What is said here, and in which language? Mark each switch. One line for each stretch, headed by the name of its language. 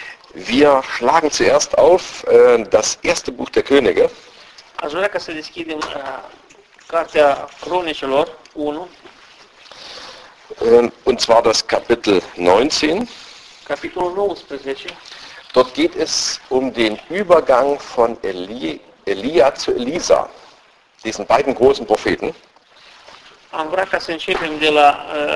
German: Wir schlagen zuerst auf das erste Buch der Könige.
Romanian: Aș vrea ca să deschidem cartea Cronicilor 1.
German: Und zwar das Kapitel 19.
Romanian: Capitolul 19.
German: Dort geht es um den Übergang von Elia zu Elisa, diesen beiden großen Propheten.
Romanian: Am vrea ca să începem de la